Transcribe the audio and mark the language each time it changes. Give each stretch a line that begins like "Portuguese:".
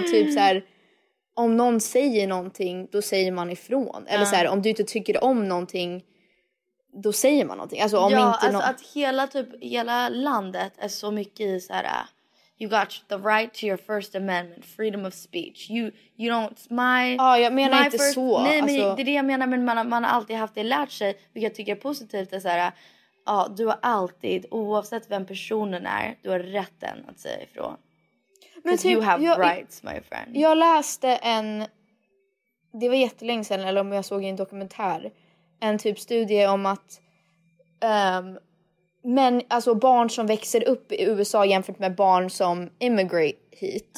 Swedish: Typ så här, om någon säger någonting, då säger man ifrån. Eller så här, om du inte tycker om någonting, då säger man någonting. Alltså, om ja, inte alltså att hela landet är så mycket i så här...
English: You got the right to your first amendment, freedom of speech. You don't my.
Swedish: Ja, jag menar inte first, så. Nej, men alltså, det är det jag menar, men man har alltid haft det lärt sig, vilket jag tycker är positivt, är så här, ja, du har alltid, oavsett vem personen är, du har rätten att säga ifrån. Men typ,
English: you have rights, my friend.
Swedish: Jag läste en, det var jättelänge sedan, eller om jag såg en dokumentär, en typ studie om att men alltså barn som växer upp i USA jämfört med barn som immigrate hit.